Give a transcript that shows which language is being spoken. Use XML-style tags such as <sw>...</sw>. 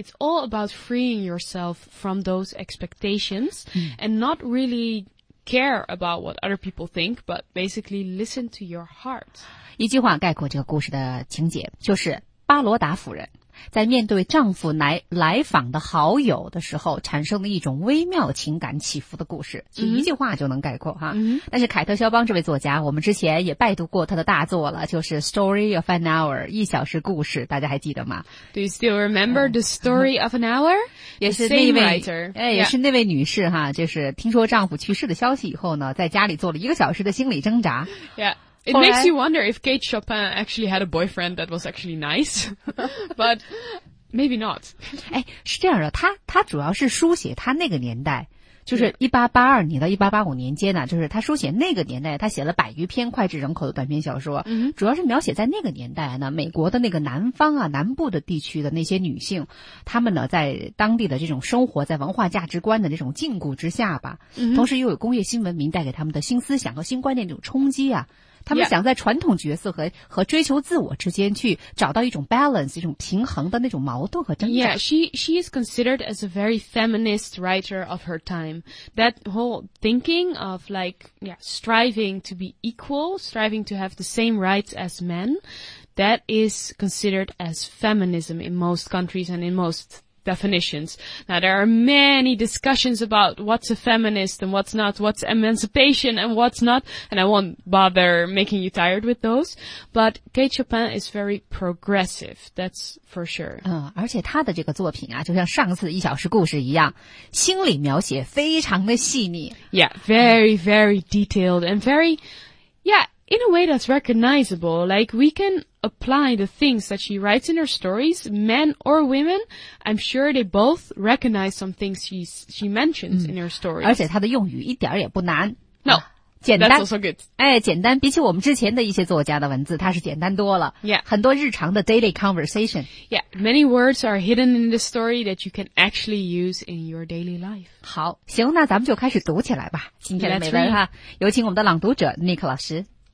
<en>It's all about freeing yourself from those expectations and not reallycare about what other people think, but basically listen to your heart.</en> <zh>一句话概括这个故事的情节，就是巴罗达夫人在面对丈夫来访的好友的时候产生了一种微妙情感起伏的故事，就一句话就能概括哈。但是凯特肖邦这位作家我们之前也拜读过他的大作了，就是 Story of an Hour, 一小时故事，大家还记得吗？</zh> <en>Do you still remember the Story of an Hour?</en> <zh>也是那位、哎、也是那位女士哈，就是听说丈夫去世的消息以后呢，在家里做了一个小时的心理挣扎。</zh> <en>Yeah. It makes you wonder if Kate Chopin actually had a boyfriend that was actually nice, but maybe not.</en> <zh>哎，是这样的，他主要是书写他那个年代，就是1882年到1885年间呢，就是他书写那个年代，他写了百余篇脍炙人口的短篇小说，主要是描写在那个年代呢，美国的那个南方啊，南部的地区的那些女性，她们呢在当地的这种生活在文化价值观的这种禁锢之下吧，同时又有工业新文明带给他们的新思想和新观念这种冲击啊。他们想在传统角色和追求自我之间去找到一种 balance, 一种平衡的那种矛盾和挣扎。</zh> <en>Yeah, she is considered as a very feminist writer of her time. That whole thinking of like, yeah, striving to be equal, striving to have the same rights as men, that is considered as feminism in most countries and in most definitions. Now there are many discussions about what's a feminist and what's not, what's emancipation and what's not, and I won't bother making you tired with those, but Kate Chopin is very progressive, that's for sure.</en> <zh>而且他的这个作品啊，就像上次一小时故事一样，心理描写非常的细腻。</zh> <en>Yeah, very, very detailed and very, yeah, in a way that's recognizable, like we canapply the things that she writes in her stories, men or women, I'm sure they both recognize some things she mentions in her stories.</en> <zh>而且她的用语一点也不难。</zh> <en>No,</en> <zh>简单</zh> <en>That's also good.</en> <zh>哎，简单，比起我们之前的一些作家的文字，它是简单多了。</zh> <en>Yeah.</en> <zh>很多日常的 daily conversation.</zh> <en>Yeah, many words are hidden in the story that you can actually use in your daily life.</en> <zh>好，行，那咱们就开始读起来吧。今天的美文哈，有请我们的朗读者 Nick 老师。</zh>